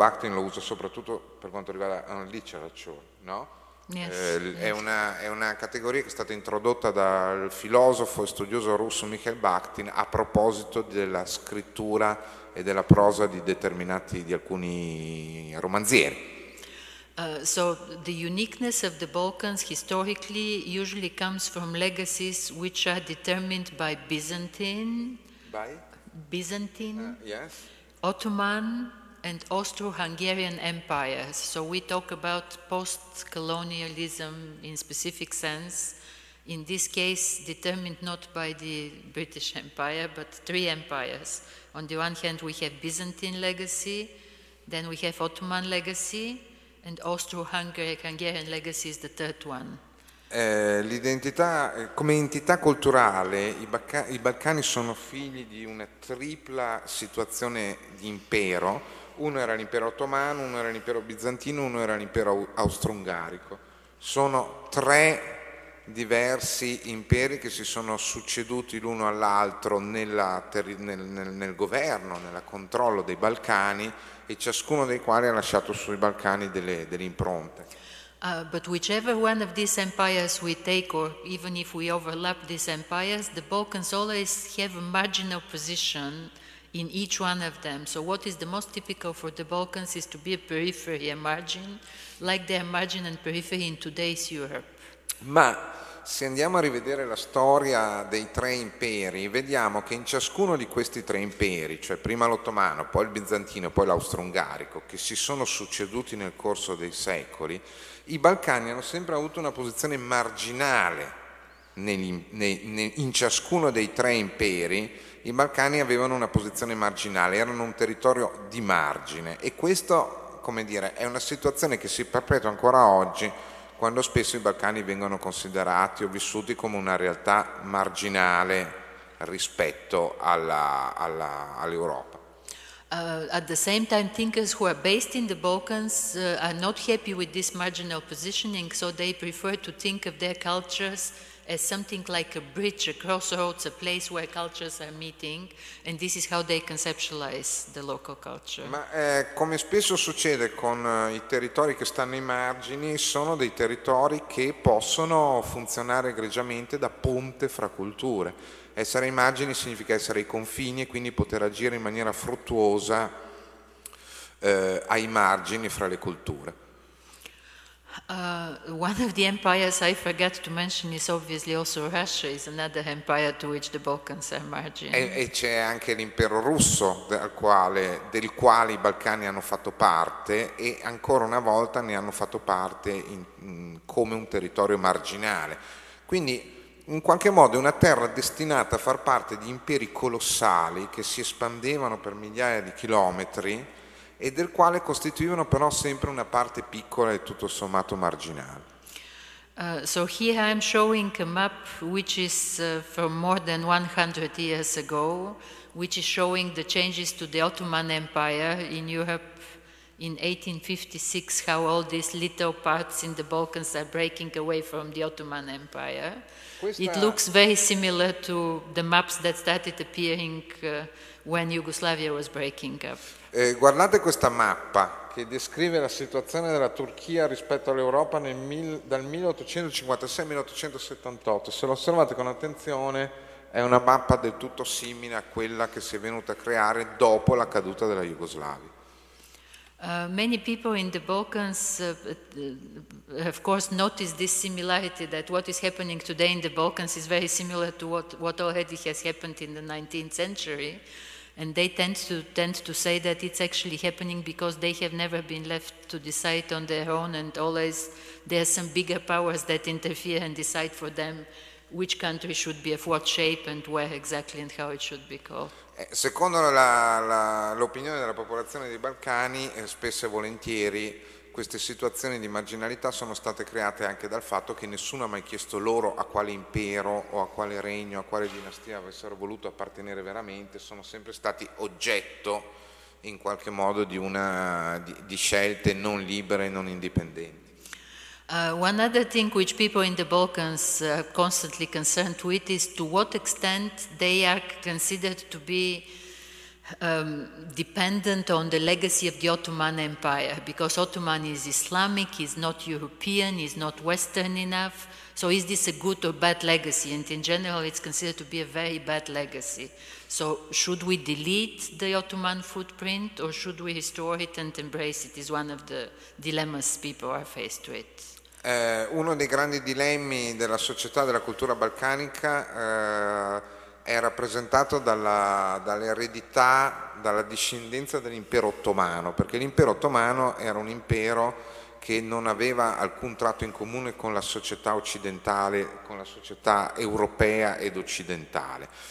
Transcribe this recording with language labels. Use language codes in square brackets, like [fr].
[it] Bakhtin lo usa soprattutto per quanto riguarda la literature, no? [en] Yes. [it] È una categoria che è stata introdotta dal filosofo e studioso russo Mikhail Bakhtin a proposito della scrittura e della prosa di alcuni romanzieri. [en] So the uniqueness of the Balkans historically usually comes from legacies which are determined by Byzantine, yes, Ottoman and Austro-Hungarian empires. So we talk about post-colonialism in specific sense, in this case determined not by the British Empire but three empires. On the one hand we have Byzantine legacy, then we have Ottoman legacy, and Austro-Hungarian legacy is the third one. [it] L'identità, come entità culturale, i Balcani sono figli di una tripla situazione di impero, uno era l'impero ottomano, uno era l'impero bizantino, uno era l'impero austro-ungarico. Sono tre diversi imperi che si sono succeduti l'uno all'altro nel governo, nel controllo dei Balcani, e ciascuno dei quali ha lasciato sui Balcani delle impronte. [en] But whichever one of these empires we take, or even if we overlap these empires, the Balkans always have a marginal position in each one of them. So what is the most typical for the Balkans is to be a periphery, a margin, like their margin and periphery in today's Europe. [it] Ma se andiamo a rivedere la storia dei tre imperi, vediamo che in ciascuno di questi tre imperi, cioè prima l'ottomano, poi il bizantino, poi l'austro-ungarico, che si sono succeduti nel corso dei secoli, i Balcani hanno sempre avuto una posizione marginale in ciascuno dei tre imperi. I Balcani avevano una posizione marginale, erano un territorio di margine, e questo, come dire, è una situazione che si perpetua ancora oggi, quando spesso i Balcani vengono considerati o vissuti come una realtà marginale rispetto all'Europa. [en] At the same time, thinkers who are based in the Balkans are not happy with this marginal positioning, so they prefer to think of their cultures as something like a bridge, a crossroads, a place where cultures are meeting, and this is how they conceptualize the local culture. [it] Ma come spesso succede con i territori che stanno ai margini, sono dei territori che possono funzionare egregiamente da ponte fra culture. Essere ai margini significa essere ai confini, e quindi poter agire in maniera fruttuosa ai margini fra le culture. [en] One of the empires I forgot to mention is obviously also Russia, is another empire to which the Balkans are margin. [it] E c'è anche l'impero russo del quale i Balcani hanno fatto parte, e ancora una volta ne hanno fatto parte come un territorio marginale. Quindi in qualche modo è una terra destinata a far parte di imperi colossali che si espandevano per migliaia di chilometri e del quale costituivano però sempre una parte piccola e tutto sommato marginale. [en] So here I'm showing a map which is from more than 100 years ago, which is showing the changes to the Ottoman Empire in Europe in 1856, how all these little parts in the Balkans are breaking away from the Ottoman Empire. It looks very similar to the maps that started appearing when Yugoslavia was breaking up. [it] Guardate questa mappa che descrive la situazione della Turchia rispetto all'Europa dal 1856-1878. Se lo osservate con attenzione, è una mappa del tutto simile a quella che si è venuta a creare dopo la caduta della Jugoslavia. [en] Many people in the Balkans of course noticed this similarity, that what is happening today in the Balkans is very similar to what already has happened in the 19th century. And they tend to say that it's actually happening because they have never been left to decide on their own, and always there are some bigger powers that interfere and decide for them which country should be of what shape and where exactly and how it should be called. [it] Secondo l'opinione della popolazione dei Balcani, spesso e volentieri queste situazioni di marginalità sono state create anche dal fatto che nessuno ha mai chiesto loro a quale impero o a quale regno, a quale dinastia avessero voluto appartenere veramente. Sono sempre stati oggetto in qualche modo di scelte non libere e non indipendenti. [en] One other thing which people in the Balkans are constantly concerned with is to what extent they are considered to be dependent on the legacy of the Ottoman Empire, because Ottoman is Islamic, is not European, is not Western enough. So is this a good or bad legacy? And in general, it's considered to be a very bad legacy. So should we delete the Ottoman footprint, or should we restore it and embrace it? Is one of the dilemmas people are faced with. [it] Uno dei grandi dilemmi della società, della cultura balcanica, è rappresentato dall'eredità, dalla discendenza dell'impero ottomano, perché l'impero ottomano era un impero che non aveva alcun tratto in comune con la società occidentale, con la società europea ed occidentale.